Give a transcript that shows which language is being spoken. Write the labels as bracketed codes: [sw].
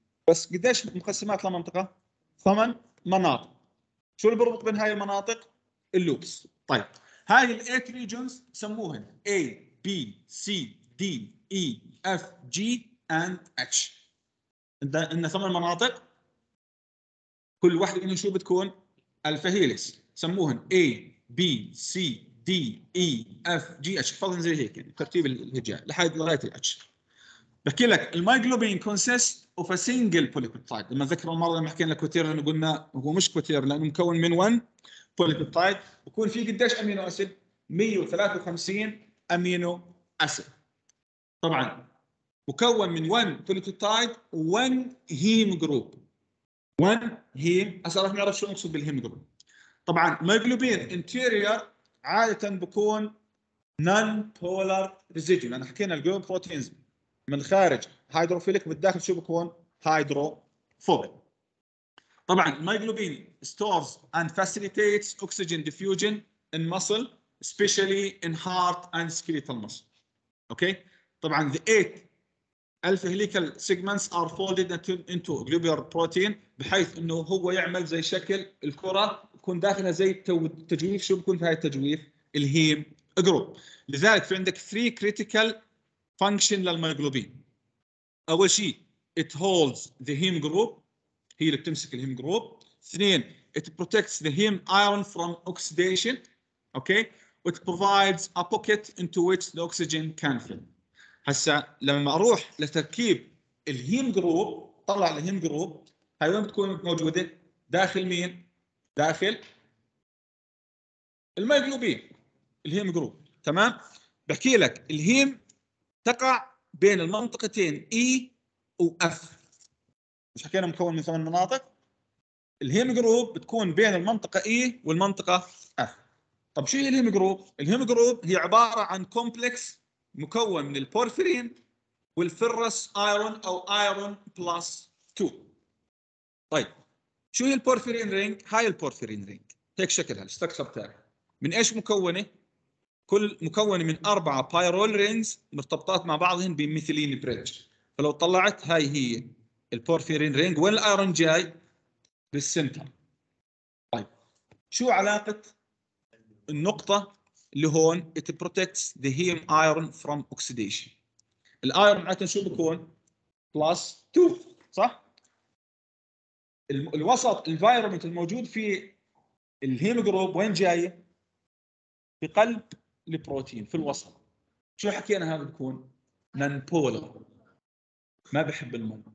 [ar] بس قديش مقسمات لمنطقة؟ 8 مناطق. شو اللي بربط بين هاي المناطق؟ اللوبس. طيب هاي الـ 8 regions سموهن A B C D E F G and H. إن 8 مناطق، كل واحدة منهم شو بتكون؟ الفا هيليكس. سموهن A B C D E F G H. فضلاً زي هيك يعني ترتيب الهجاء لحد لغاية ال H. بحكي لك المايوجلوبين [en] consist of a single polypeptide. [ar] لما ذكر المرة لما حكينا كوتير إنه قلنا هو مش كوتير لأنه مكون من 1 polypeptide. بكون فيه قديش أمينو أسيد؟ 153 أمينو أسيد. طبعاً مكون من 1 polypeptide و 1 هيم جروب. وين هي؟ أسألك نعرف شو نقصد بالهيموجلوبين. طبعاً الميوجلوبين انتيرير عادةً بكون نون بولار ريزيديو. أنا حكينا الجلوبين بروتينز من خارج هيدروفيلك، بالداخل شو بكون؟ هيدروفوبيك. طبعاً الميوجلوبين [en] stores and facilitates oxygen diffusion in muscle, especially in heart and skeletal muscle. [ar] أوكي؟ طبعاً [en] the eight [ar] الفا هيليكال سيجمنتس ار فولدد انتو جلوبولار بروتين، بحيث انه هو يعمل زي شكل الكره، يكون داخلها زي التجويف. شو بكون في هاي التجويف؟ الهيم جروب. لذلك في عندك 3 كريتيكال فانكشن للميوجلوبين. اول شيء [en] it holds the heme group, [ar] هي اللي بتمسك الهيم جروب. اثنين, [en] it protects the heme iron from oxidation, okay, it provides a pocket into which the oxygen can fit. [ar] هسا لما اروح لتركيب الهيم جروب, طلع الهيم جروب, هاي وين بتكون موجودة؟ داخل مين؟ داخل الميوجلوبين, الهيم جروب. تمام, بحكي لك الهيم تقع بين المنطقتين E و F. مش حكينا مكون من ثمان مناطق؟ الهيم جروب بتكون بين المنطقة E والمنطقة F. طب شو هي الهيم جروب؟ الهيم جروب هي عبارة عن كومبلكس مكون من البورفيرين والفيروس ايرون او ايرون بلس 2. طيب شو هي البورفيرين رينج؟ هاي البورفيرين رينج هيك شكلها الستركشر تاعها. من ايش مكونه؟ كل مكونه من اربعه بايرول رينجز مرتبطات مع بعضهن بميثيلين بريدج. فلو طلعت هاي هي البورفيرين رينج, وين الايرون جاي؟ بالسنتر. طيب شو علاقه النقطه اللي هون؟ [en] it protects the heme iron from oxidation. [ar] الايرون عاده شو بكون؟ بلس 2 صح؟ الوسط environment الموجود في الهيم جروب وين جاي؟ في قلب البروتين في الوسط. شو حكينا هذا بكون؟ نون بولر, ما بحب الماء.